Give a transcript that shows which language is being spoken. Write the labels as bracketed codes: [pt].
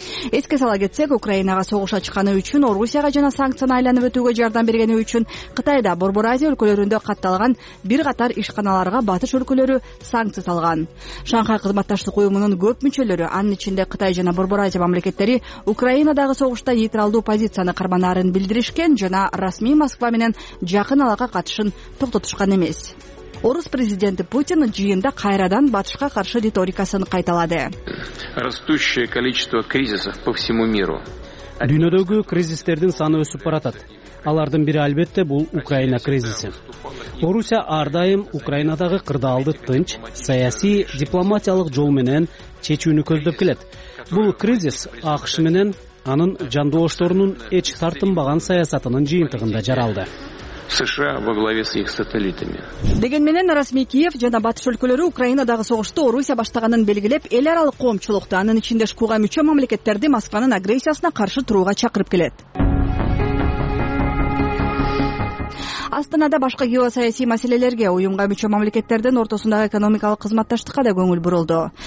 [ky] Эске сала кетсек, Украинага согуш ачканы үчүн Орусияга жана санкцияны айланып өтүүгө жардам бергени үчүн Кытайда, Борбор Азия өлкөлөрүндө катталган бир катар ишканаларга батыш өлкөлөрү санкция салган. Шанхай кызматташтык уюмунун көп мүчөлөрү, анын ичинде Кытай жана Борбор Азия мамлекеттери Украинадагы согушта нейтралдуу позицияны карманарын билдиришкен жана расмий Москва менен жакын алака катышын токтотушкан эмес. Орус президенти Путин жыйында кайрадан батышка каршы риторикасын кайталады. [ru] Растущее количество кризисов по всему миру. [ky] Дүйнөдөгү кризистердин саны өсүп баратат. Алардын бири албетте бул Украина кризиси. Орусия ар дайым Украинадагы кырдаалды тынч, саясий, дипломатиялык жол менен чечүүнү көздөп келет. Бул кризис АКШ менен анын жандоошторунун эч тартынбаган саясатынын жыйынтыгында жаралды. [ru] США во главе с их сателлитами. [ky] Деген менен расмий Киев жана батыш өлкөлөрү Украинадагы согушту Орусия баштаганын белгилеп, эл аралык коомчулукту анын ичинде шкуга мүчө мамлекеттерди Москванын агрессиясына каршы турууга чакырып келет. Астанада башка геосаясий маселелерге, уюмга мүчө мамлекеттердин ортосундагы экономикалык кызматташтыкка да көңүл бурулду.